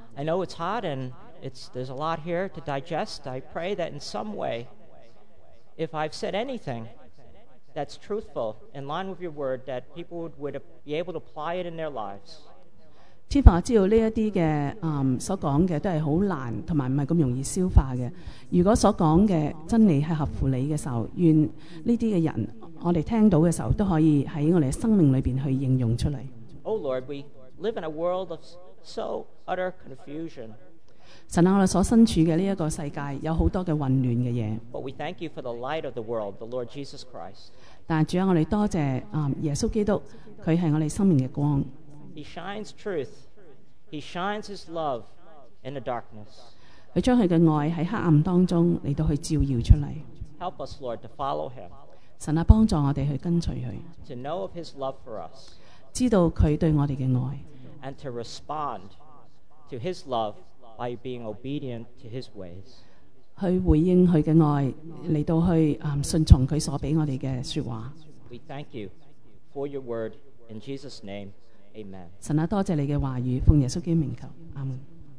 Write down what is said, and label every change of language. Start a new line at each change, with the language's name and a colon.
English: I know it's hard and there's a lot here to digest. I pray that in some way. If I've said anything that's truthful in line with your word, that people would be able to apply it in their lives.
Cantonese: 天父，我知道呢一啲嘅所讲嘅都系好难，同埋唔系咁容易消化嘅。如果所讲嘅真理系合乎你嘅时候，愿呢啲嘅人我哋听到嘅时候都可以喺我哋嘅生命里边去应用出嚟。
English: Oh Lord, we live in a world of so utter confusion.
Cantonese: 神啊，我哋所身处嘅呢一个世界有好多嘅混乱嘅嘢。
English: But we thank you for the light of the world, the Lord Jesus Christ.
Cantonese: 但主啊，我哋多谢耶稣基督，佢系我哋生命嘅光。
English: He shines truth. He shines his love in the darkness.
Cantonese: 佢将佢嘅爱喺黑暗当中嚟到去照耀出嚟。
English: Help us, Lord, to follow him.
Cantonese: 神啊，帮助我哋去跟随佢。
English: To know of his love for us.
Cantonese: 知道佢对我哋嘅爱。
English: And to respond to his love by being obedient to his ways.
Cantonese: 去回应佢嘅爱，嚟到去顺从佢所俾我哋嘅说话。
English: We thank you for your word in Jesus' name. Amen.
Cantonese: 神啊，多谢你嘅话语，奉耶稣基督名求，阿门。